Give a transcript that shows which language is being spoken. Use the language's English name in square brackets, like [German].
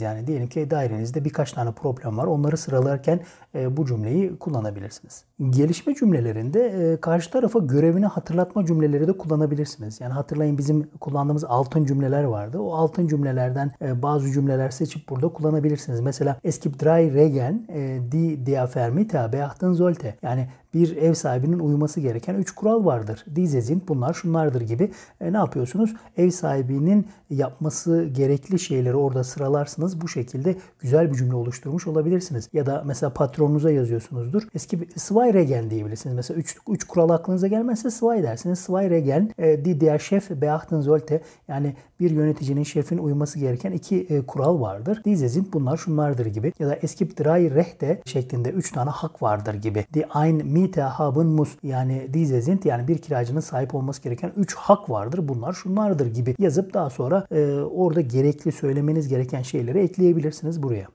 [Turkish] Yani diyelim ki dairenizde birkaç tane problem var. Onları sıralarken bu cümleyi kullanabilirsiniz. Gelişme cümlelerinde karşı tarafa görevini hatırlatma cümleleri de kullanabilirsiniz. Yani hatırlayın, bizim kullandığımız altın cümleler vardı. O altın cümlelerden bazı cümleler seçip burada kullanabilirsiniz. [German] Mesela es gibt drei Regeln, die der Vermieter beachten sollte. [Turkish] Yani bir ev sahibinin uyması gereken 3 kural vardır. [German] Diese sind, [Turkish] bunlar şunlardır gibi. Ne yapıyorsunuz? Ev sahibinin yapması gerekli şeyleri orada sıralarsınız. Bu şekilde güzel bir cümle oluşturmuş olabilirsiniz. Ya da mesela patronunuza yazıyorsunuzdur. Eski bir [German] zwei Regeln [Turkish] diyebilirsiniz. Mesela 3 kural aklınıza gelmezse zwei dersiniz. [German] Zwei Regeln, die der Chef beachten sollte. [Turkish] Yani bir yöneticinin, şefin uyması gereken 2 kural vardır. [German] Diese sind, [Turkish] bunlar şunlardır gibi. Ya da [German] es gibt drei Rechte [Turkish] şeklinde 3 tane hak vardır gibi. [German] Die ein Mieter haben muss, [Turkish] yani [German] diese sind, [Turkish] yani bir kiracının sahip olması gereken 3 hak vardır, bunlar şunlardır gibi yazıp daha sonra orada gerekli söylemeniz gereken şeyleri ekleyebilirsiniz buraya.